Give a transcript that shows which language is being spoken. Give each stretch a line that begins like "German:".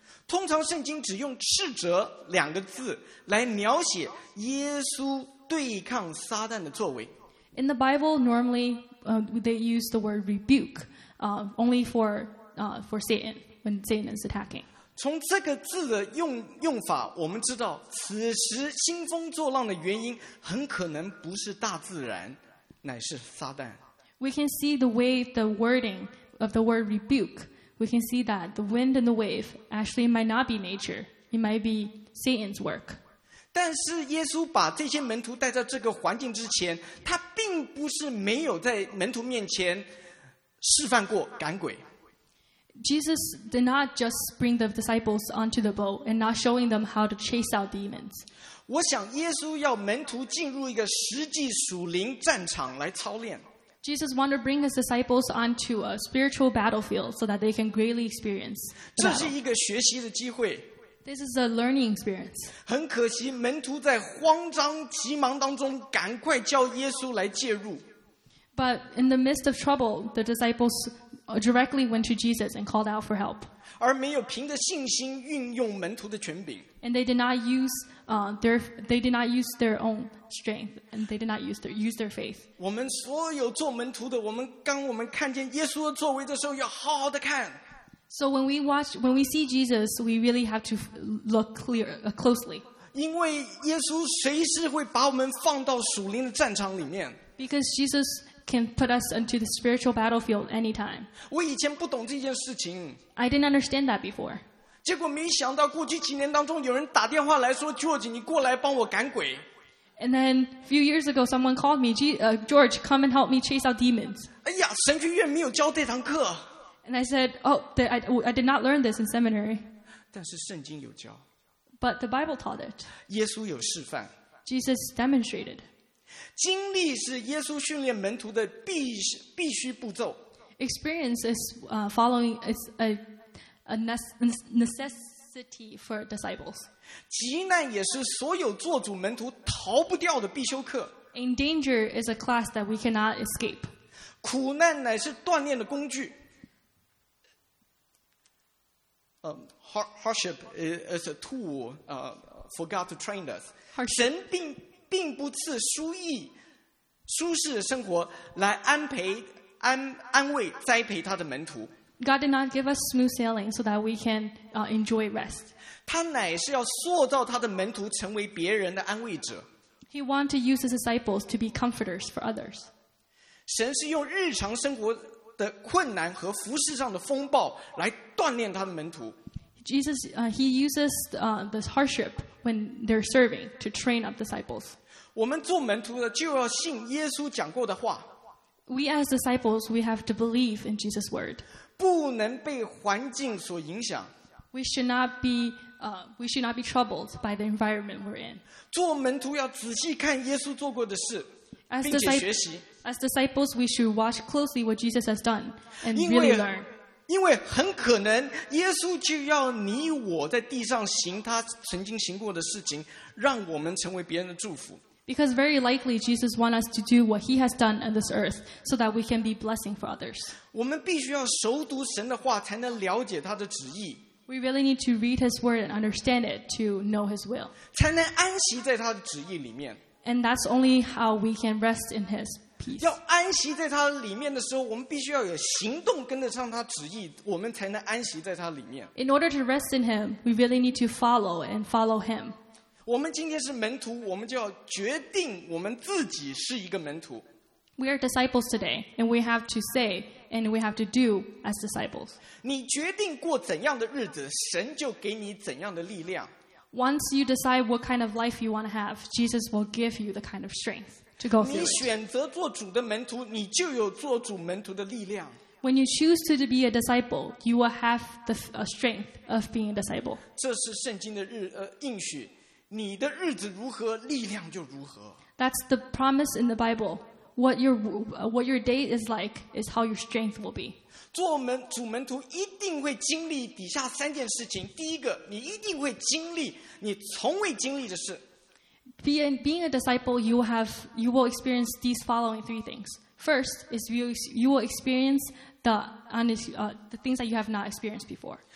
Chinese: 通常圣经只用斥责两个字来描写耶稣对抗撒旦的作为。
English: In the Bible, normally, they use the word rebuke, only for Satan, when Satan is attacking.
Chinese: 从这个字的用法，我们知道此时兴风作浪的原因很可能不是大自然，乃是撒旦。
English: We can see the way the wording of the word rebuke, we can see that the wind and the wave actually might not be nature, it might be Satan's work.
Chinese: 但是耶稣把这些门徒带到这个环境之前，他并不是没有在门徒面前示范过赶鬼。
English: Jesus did not just bring the disciples onto the boat and not showing them how to chase out demons.
Chinese: 我想耶稣要门徒进入一个实际属灵战场来操练。
English: Jesus wanted to bring his disciples onto a spiritual battlefield so that they can greatly experience.
Chinese: 这是一个学习的机会。
English: This is a learning experience.
Chinese: 很可惜，门徒在慌张急忙当中，赶快叫耶稣来介入。
English: But in the midst of trouble, the disciples directly went to Jesus and called out for help.
Chinese: 而没有凭着信心运用门徒的权柄。
English: And they did not use their own strength, and they did not use their faith.
Chinese: 我们所有做门徒的，我们看见耶稣的作为的时候，要好好的看。
English: So when we see Jesus, we really have to look closely.
Chinese: 因为耶稣随时会把我们放到属灵的战场里面。
English: Because Jesus can put us into the spiritual battlefield anytime.
Chinese: 我以前不懂这件事情。
English: I didn't understand that before.
Chinese: 结果没想到过去几年当中有人打电话来说 George, 你过来帮我赶鬼。
English: And then a few years ago, someone called me, George, come and help me chase out demons.
Chinese: 哎呀，神学院没有教这堂课。
English: And I said, oh, I did not learn this in seminary.
Chinese: 但是圣经有教。
English: But the Bible taught it.
Chinese: 耶稣有示范。
English: Jesus demonstrated.
Chinese: 经历是耶稣训练门徒的必须步骤。
English: Experience is following is a necessity for disciples.
Chinese: 急难也是所有做主门徒逃不掉的必修课。
English: In danger is a class that we cannot escape.
Chinese: 苦难乃是锻炼的工具。
English: Hardship is a tool for God to train us.
Chinese: 神并不赐舒适的生活来安慰栽培他的门徒。
English: God did not give us smooth sailing so that we can enjoy rest.
Chinese: 他乃是要塑造他的门徒成为别人的安慰者。
English: He wanted to use his disciples to be comforters for others.
Chinese: 神是用日常生活的困难和服事上的风暴来锻炼他的门徒。
English: Jesus, he uses this hardship when they're serving to train up disciples.
Chinese: 我们做门徒的就要信耶稣讲过的话。
English: We as disciples, we have to believe in Jesus' word.
Chinese: 不能被环境所影响。
English: We should not be troubled by the environment we're in.
Chinese: 做门徒要仔细看耶稣做过的事，并且学习。
English: As disciples, we should watch closely what Jesus has done and really learn.
Chinese: 因为很可能耶稣就要你我在地上行他曾经行过的事情，让我们成为别人的祝福。
English: Because very likely Jesus wants us to do what he has done on this earth so that we can be blessing for others.
Chinese: 我们必须要熟读神的话才能了解他的旨意。
English: We really need to read his word and understand it to know his will.
Chinese: 才能安息在他的旨意里面。
English: And that's only how we can rest in his peace.
Chinese: 要安息在他里面的时候，我们必须要有行动跟得上他旨意，我们才能安息在他里面。
English: In order to rest in him, we really need to follow and follow him.
Chinese: 我们今天是门徒，我们就要决定我们自己是一个门徒。
English: We are disciples today, and we have to say and we have to do as disciples.
Chinese: 你决定过怎样的日子，神就给你怎样的力量。
English: Once you decide what kind of life you want to have, Jesus will give you the kind of strength to go through.
Chinese: 你选择做主的门徒，你就有做主门徒的力量。
English: When you choose to be a disciple, you will have the strength of being a disciple.
Chinese: 这是圣经的应许。你的日子如何，力量就如何。
English: That's the promise in the Bible. What your day is like is how your strength will be.
Chinese: 做门主门徒一定会经历底下三件事情。第一个，你一定会经历你从未经历的事。
English: Being a disciple, you will experience these following three things. First is you will experience the things that you have not experienced before.